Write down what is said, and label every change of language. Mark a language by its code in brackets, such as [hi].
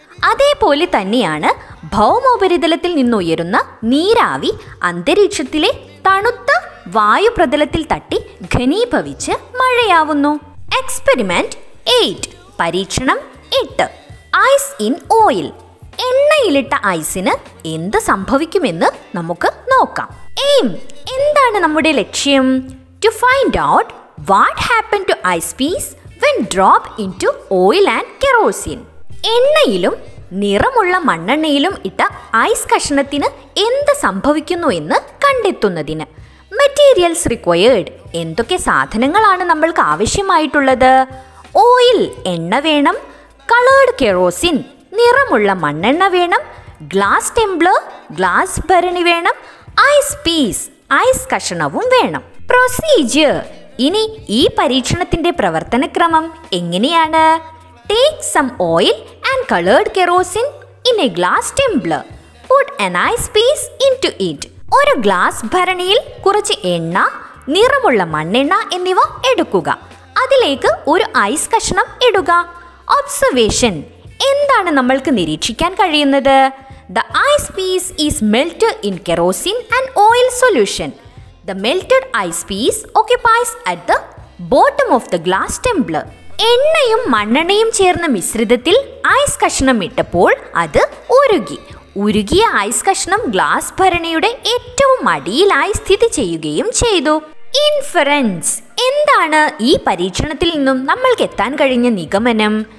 [ml] അതേപോലെ തന്നെയാണ് ഭൗമോപരിതലത്തിൽ നിന്നുയരുന്ന നീരാവി അന്തരീക്ഷത്തിലെ തണുത്ത വായുപ്രതലത്തിൽ തട്ടി ഘനീഭവിച്ച് മഴയാവുന്നു. [en] Experiment 8. പരീക്ഷണം 8. Ice in oil. [ml] എണ്ണയിലിട്ട ഐസിന് എന്ത് സംഭവിക്കുമെന്ന് നമുക്ക് നോക്കാം. എയിം, എന്താണ് നമ്മുടെ ലക്ഷ്യം? [en] To find out what happened to ice piece when drop into oil and kerosene. [ml] എണ്ണയിലും നിറമുള്ള മണ്ണെണ്ണയിലും ഇട്ട ഐസ് കഷണത്തിന് എന്ത് സംഭവിക്കുന്നു എന്ന് കണ്ടെത്തുന്നതിന് [en] Materials required. [ml] എന്തൊക്കെ സാധനങ്ങളാണ് നമ്മൾക്ക് ആവശ്യമായിട്ടുള്ളത്? ഓയിൽ, എണ്ണ വേണം. കളേർഡ് കെറോസിൻ, നിറമുള്ള മണ്ണെണ്ണ വേണം. ഗ്ലാസ് ടെംപ്ലർ, ഗ്ലാസ് ഭരണി വേണം. ഐസ് പീസ്, ഐസ് കഷണവും വേണം. പ്രൊസീജിയർ. ഇനി ഈ പരീക്ഷണത്തിന്റെ പ്രവർത്തനക്രമം എങ്ങനെയാണ്? [en] Take some oil and coloured kerosene in a glass tumbler. Put an ice piece into it. [ml] ഒരു ഗ്ലാസ് ഭരണിയിൽ കുറച്ച് എണ്ണ, നിറമുള്ള മണ്ണെണ്ണ എന്നിവ എടുക്കുക. അതിലേക്ക് ഒരു ഐസ് കഷണം ഇടുക. ഒബ്സർവേഷൻ. എന്താണ് നമ്മൾക്ക് നിരീക്ഷിക്കാൻ കഴിയുന്നത്? [en] The ice piece is melt in kerosene and oil solution. The melted ice piece occupies at the bottom of the glass tumbler. [ml] എണ്ണയും മണ്ണെണ്ണയും ചേർന്ന മിശ്രിതത്തിൽ ഐസ് കഷ്ണം ഇട്ടപ്പോൾ അത് ഉരുകി. ഉരുകിയ ഐസ് കഷ്ണം ഗ്ലാസ് ഭരണിയുടെ ഏറ്റവും അടിയിലായി സ്ഥിതി ചെയ്യുകയും ചെയ്തു. ഇൻഫറൻസ്, എന്താണ് ഈ പരീക്ഷണത്തിൽ നിന്നും നമ്മൾക്ക് എത്താൻ കഴിഞ്ഞ നിഗമനം?